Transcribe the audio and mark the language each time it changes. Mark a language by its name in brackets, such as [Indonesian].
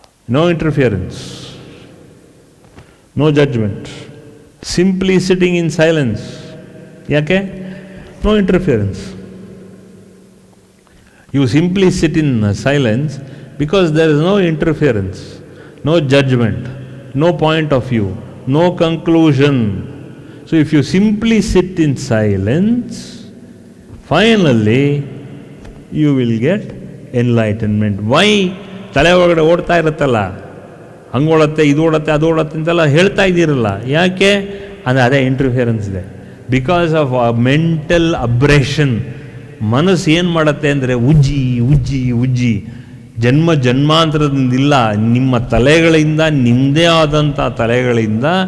[English] No interference no judgment simply sitting in silence ಯಾಕೆ no interference You simply sit in silence because there is no interference, no judgment, no point of view, no conclusion. So if you simply sit in silence, finally you will get enlightenment. Why? [Kannada] ತಲೆವಾಗಡೆ ಓಡ್ತಾ ಇರುತ್ತಲ್ಲ ಹಂಗೋಡತ್ತೆ ಇದು ಓಡತ್ತೆ ಅದು ಓಡತ್ತೆ ಅಂತೆಲ್ಲ ಹೇಳ್ತಾ ಇದ್ದೀರಲ್ಲ ಯಾಕೆ ಅಂದರೆ ಅದೇ ಇಂಟರ್ಫಿಯರೆನ್ಸ್ ಇದೆ [English] because of a mental abrasion [Kannada] ಮನಸ್ಸು ಏನು ಮಾಡುತ್ತೆ ಅಂದರೆ ಉಜ್ಜಿ ಜನ್ಮ ಜನ್ಮಾಂತರದಿಂದಿಲ್ಲ ನಿಮ್ಮ ತಲೆಗಳಿಂದ ನಿಮ್ಮದೇ ಆದಂಥ ತಲೆಗಳಿಂದ